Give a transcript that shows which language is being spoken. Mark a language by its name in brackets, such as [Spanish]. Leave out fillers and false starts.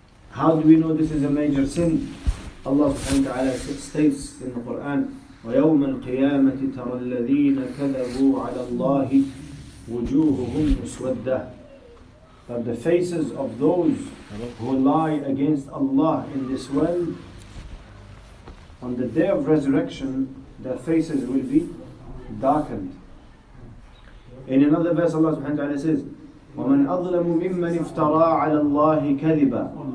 [English] How do we know this is a major sin? Allah subhanahu wa ta'ala states in the Quran, [Arabic] وَيَوْمَ الْقِيَامَةِ تَرَى الَّذِينَ كَذَبُوا عَلَى اللَّهِ وُجُوهُهُمْ مُسْوَدَّةِ. [English] But the faces of those who lie against Allah in this world, on the day of resurrection, their faces will be darkened. In another verse, Allah subhanahu wa ta'ala says, [Arabic] وَمَنْ أَظْلَمُ مِمَّنْ افْتَرَى عَلَى اللَّهِ كَذِبًا.